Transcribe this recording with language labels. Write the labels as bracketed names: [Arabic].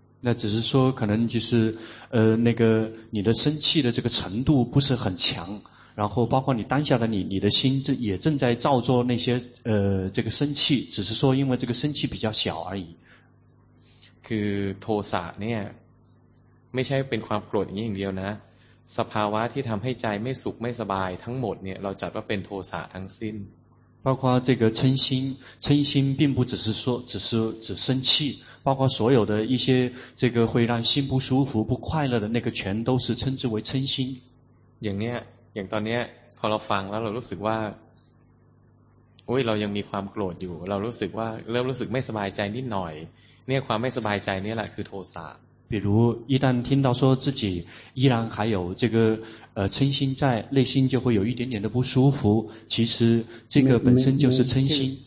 [Chinese] 那只是说可能就是那个你的生气的这个程度不是很强然后包括你当下的你的心也正在造作那些这个生气只是说因为这个生气比较小而已 [Thai] คือโทสะเนี่ยไม่ใช่เป็นความโกรธอย่างเดียวนะสภาวะที่ทำให้ใจไม่สุขไม่สบายทั้งหมดเนี่ยเราจัดว่าเป็นโทสะทั้งสิ้น [Chinese] 包括这个嗔心，嗔心并不只是说只是只生气，包括所有的一些这个会让心不舒服不快乐的那个，全都是称之为嗔心。 [Thai] อย่างเนี้ยอย่างตอนเนี้ยพอเราฟังแล้วเรารู้สึกว่าโอ้ยเรายังมีความโกรธอยู่เรารู้สึกว่าเริ่มรู้สึกไม่สบายใจนิดหน่อยเนี่ยความไม่สบายใจนี่แหละคือโทสะ [Chinese] 比如一旦听到说自己依然还有这个嗔心在，内心就会有一点点的不舒服。其实这个本身就是嗔心。